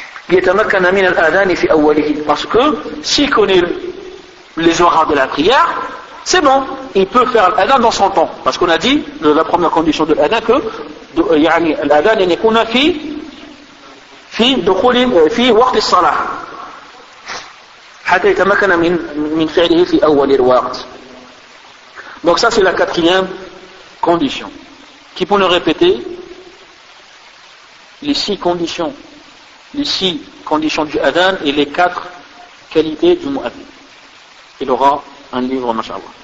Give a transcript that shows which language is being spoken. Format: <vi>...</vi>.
<ar>يتمكن من الأذان في أوله</ar> <fr>parce que s'il connaît les horaires de la prière c'est bon, il peut faire l'adhan dans son temps. Parce qu'on a dit, la première condition de l'adhan, que l'adhan est qu'on a fait le salat.</fr> <ar>حتى يتمكن من فعله في أول الوقت.</ar> <fr>Donc ça c'est la quatrième condition. Qui peut nous répéter les six conditions, les six conditions du adhan et les quatre qualités du mu'adhin. Il aura un livre, mashallah.</fr>